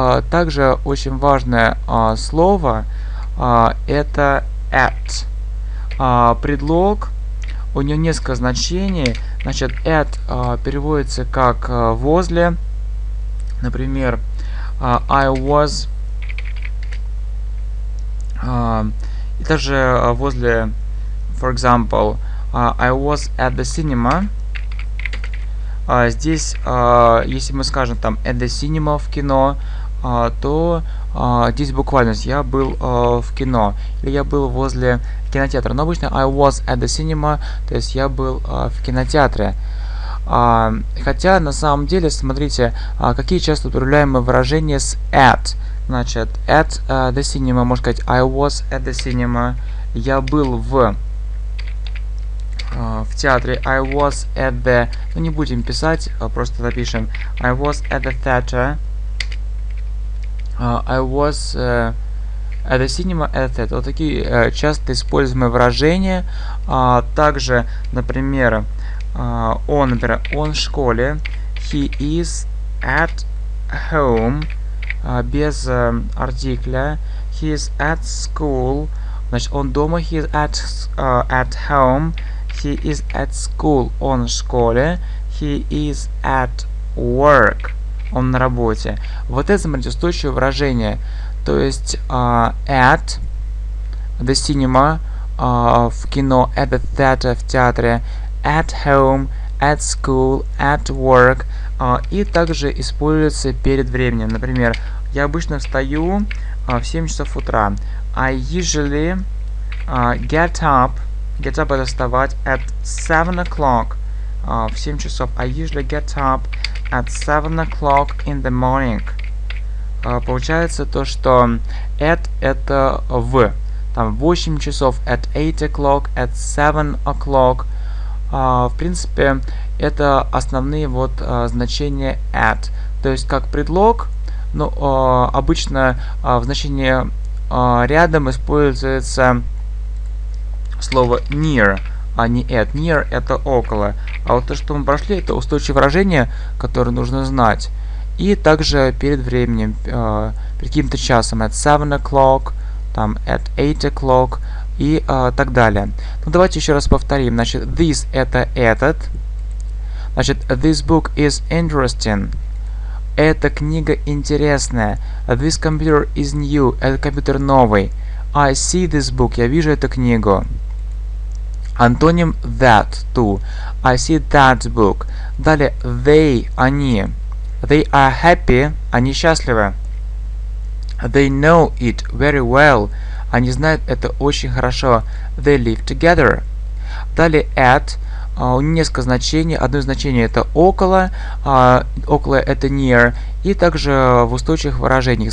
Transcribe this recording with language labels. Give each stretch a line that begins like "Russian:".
Russian: Также очень важное слово это at. Предлог, у него несколько значений. Значит, at переводится как возле. Например,
English: I was.
Russian: И также возле,
English: for example, I was at the cinema.
Russian: Здесь, если мы скажем там
English: at the cinema,
Russian: в кино, то здесь буквально я был в кино, или я был возле кинотеатра. Но обычно
English: I was at the cinema,
Russian: то есть я был в кинотеатре. Хотя на самом деле, смотрите, какие часто употребляемые выражения с at. Значит,
English: at the cinema,
Russian: можно сказать
English: I was at the cinema,
Russian: я был в театре,
English: I was at the,
Russian: ну не будем писать, просто запишем,
English: I was at the theater, I was at the cinema, at the theater.
Russian: Вот такие часто используемые выражения. Также, например, он, например, он в школе,
English: he is at home,
Russian: без артикля,
English: he is at school,
Russian: значит, он дома,
English: he is at, at home, he is at school,
Russian: он в школе,
English: he is at work,
Russian: он на работе. Вот это, смотрите, устойчивое выражение, то есть
English: at the cinema,
Russian: в кино,
English: at the theater,
Russian: в театре,
English: at home, at school, at work,
Russian: и также используется перед временем. Например, я обычно встаю в 7 часов утра.
English: I usually get up. Get up
Russian: – это вставать
English: at 7 o'clock,
Russian: в 7 часов.
English: I usually get up at 7 o'clock in the morning.
Russian: Получается то, что at – это в. Там 8 часов,
English: at 8 o'clock, at 7 o'clock.
Russian: В принципе, это основные вот значения at. То есть как предлог, ну, обычно в значении рядом используется слово near, а не at. Near – это около. А вот то, что мы прошли, это устойчивое выражение, которое нужно знать. И также перед временем, перед каким-то часом.
English: At 7 o'clock,
Russian: там,
English: at 8 o'clock
Russian: и так далее. Ну, давайте еще раз повторим. Значит, this – это этот. Значит,
English: this book is interesting.
Russian: Эта книга интересная.
English: This computer is new.
Russian: Этот компьютер новый.
English: I see this book.
Russian: Я вижу эту книгу. Антоним
English: that, too. I see that book.
Russian: Далее, they, они.
English: They are happy,
Russian: они счастливы.
English: They know it very well.
Russian: Они знают это очень хорошо.
English: They live together.
Russian: Далее, at. Несколько значений. Одно из значений это около. Около это near. И также в устойчивых выражениях.